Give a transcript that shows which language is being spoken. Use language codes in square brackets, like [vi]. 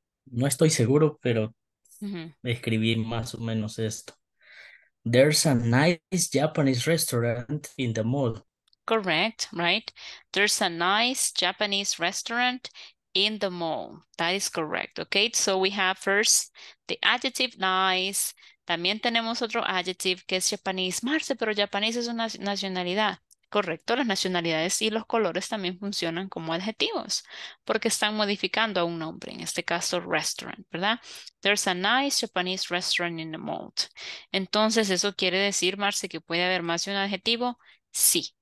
[es] No estoy seguro, pero escribí más o menos esto. [en] There's a nice Japanese restaurant in the mall. Correct, right? There's a nice Japanese restaurant in the mall. That is correct, okay? So we have first the adjective nice. [es] También tenemos otro adjective que es Japanese. Marce, pero Japanese es una nacionalidad. Correcto, las nacionalidades y los colores también funcionan como adjetivos porque están modificando a un nombre, en este caso restaurant, ¿verdad? [en] There's a nice Japanese restaurant in the mall. [es] Entonces, ¿eso quiere decir, Marce, que puede haber más de un adjetivo? Sí.